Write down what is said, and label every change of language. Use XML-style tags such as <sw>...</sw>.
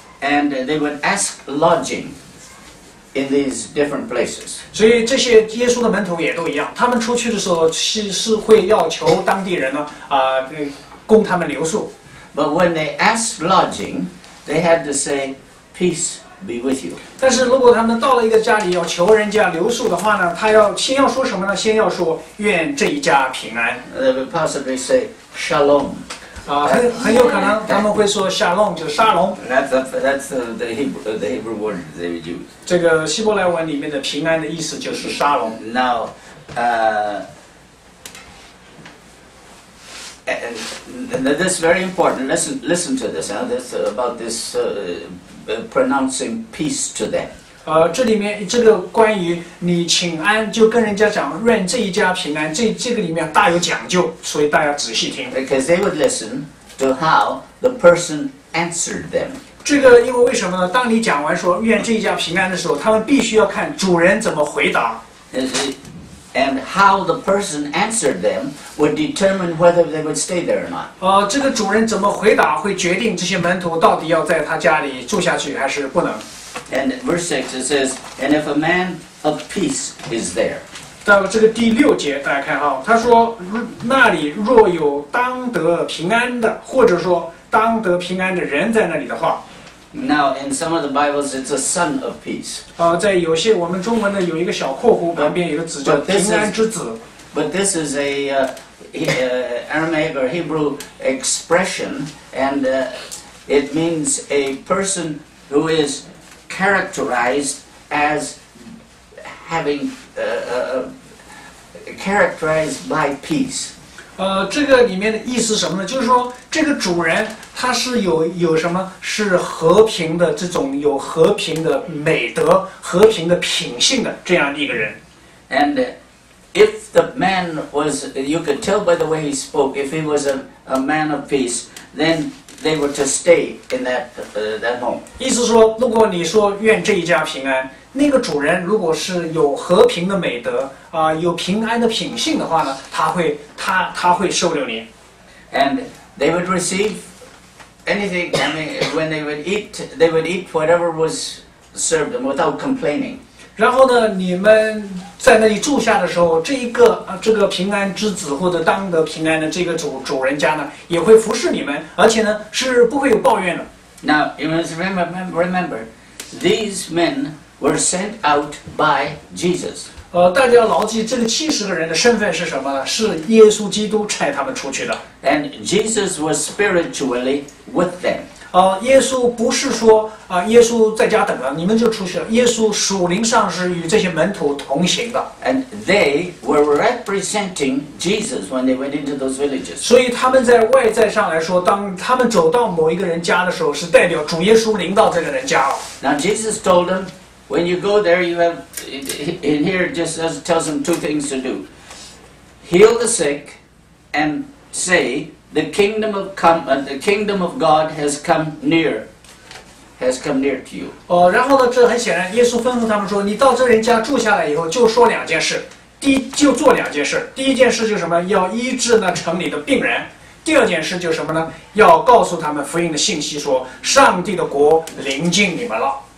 <en>And they would ask lodging in these different places.</en> <zh>所以这些耶稣的门徒也都一样，他们出去的时候是会要求当地人呢供他们留宿。</zh> <en>But when they asked lodging, they had to say, "Peace be with you."</en> <zh>但是如果他们到了一个家里要求人家留宿的话呢，他要先要说什么呢？先要说愿这一家平安。</zh> <en>They would possibly say, "Shalom."</en> <zh>很有可能他们会说 shalom 就沙龙。</zh> <en>That's the Hebrew word they would use.</en> <zh>这个希伯来文里面的平安的意思就是沙龙。</zh> <en>Now, and this is very important. Listen to this. This about this pronouncing peace to them.</en> <zh>这里面这个关于你请安，就跟人家讲愿这一家平安，这个里面大有讲究，所以大家仔细听。</zh> <en>Because they would listen to how the person answered them.</en> <zh>这个因为什么呢？当你讲完说愿这一家平安的时候，他们必须要看主人怎么回答。</zh> <en>And how the person answered them would determine whether they would stay there or not.</en> <zh>这个主人怎么回答会决定这些门徒到底要在他家里住下去还是不能。</zh> <en>And verse 6 it says, and if a man of peace is there.</en> <zh>到这个第六节大家看哈，他说那里若有当得平安的，或者说当得平安的人在那里的话。</zh> <en>Now in some of the Bibles it's a son of peace.</en> <zh>在有些我们中文呢有一个小括弧旁边有个字叫平安之子。</zh> <en>But this is a Aramaic or Hebrew expression, and it means a person who is... characterized as having characterized by peace.</en> <zh>这个里面的意思什么呢？就是说，这个主人他是有什么？是和平的这种有和平的美德、和平的品性的这样一个人。</zh> <en>And if the man was, you could tell by the way he spoke, if he was a man of peace, then. They were to stay in that home.</en> <zh>意思说，如果你说愿这一家平安，那个主人如果是有和平的美德有平安的品性的话呢，他会收留你。</zh> <en>And they would receive anything. I mean, when they would eat whatever was served them without complaining.</en> <zh>然后呢，你们在那里住下的时候，这个平安之子或者当得平安的这个主人家呢，也会服侍你们，而且呢是不会有抱怨的。</zh> <en>Now you must remember, these men were sent out by Jesus.</en> <zh>大家要牢记这个七十个人的身份是什么呢？是耶稣基督差他们出去的。</zh> <en>And Jesus was spiritually with them.</en> <zh>耶稣不是说耶稣在家等着你们就出去了，耶稣属灵上是与这些门徒同行的。</zh> <en>And they were representing Jesus when they went into those villages.</en> <zh>所以他们在外在上来说，当他们走到某一个人家的时候，是代表主耶稣临到这个人家了。</zh> <en>Now Jesus told them, When you go there, you have, in here it just says, tells them two things to do. Heal the sick and say, the kingdom of God has come near. Has come near to you.</en> <zh>然后呢，这很显然，耶稣吩咐他们说，你到这人家住下来以后，就说两件事。就做两件事，第一件事就是什么？要医治那城里的病人。第二件事就是什么呢？要告诉他们福音的信息，说上帝的国临近你们了。</zh>